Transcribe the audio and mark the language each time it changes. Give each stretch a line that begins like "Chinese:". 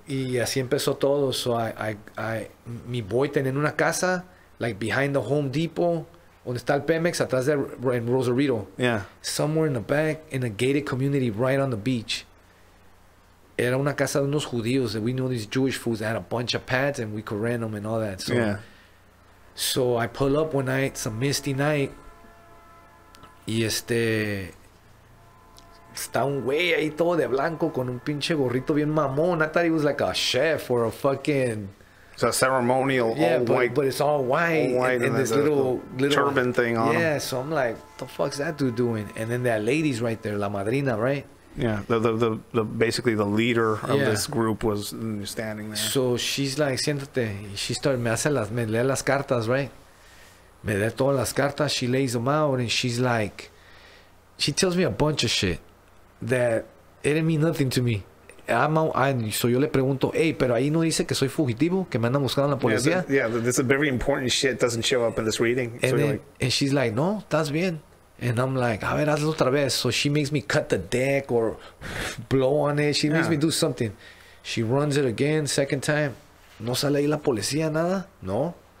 Spanish: Y así empezó todo. So I mi boy tenía una casa like behind the Home Depot, donde está el Pemex, atrás de en Rosarito.
English: Yeah. Somewhere in the back in a gated community right on the beach.
Spanish: Era una casa de unos judíos
English: that we knew these Jewish fools that had a bunch of pads and we could rent them and all that. So, So I pull up one night, some misty night.
Spanish: Y está un güey ahí todo de blanco con un pinche gorrito bien mamón.
English: I thought he was like a chef or a fucking... It's a ceremonial white. But it's all white. And this little turban thing on him. Yeah, so I'm like, what the fuck's that dude doing? And then that lady's right there, la madrina, right? Yeah, the basically the leader of this group was standing there. So she's like,
Spanish: siéntate.
English: She started,
Spanish: me lee las cartas,
English: right?
Spanish: Me da todas las cartas,
English: she lays them out, and she's like, she tells me a bunch of shit that it didn't mean nothing to me.
Spanish: So yo le pregunto, hey, pero ahí no dice que soy fugitivo, que me andan buscando la policía.
English: This is very important shit doesn't show up in this reading. And she's like,
Spanish: no, estás bien.
English: And I'm like,
Spanish: a ver, hazlo otra vez.
English: So she makes me cut the deck or blow on it. She makes me do something. She runs it again, second time.
Spanish: No sale ahí la policía, nada. No.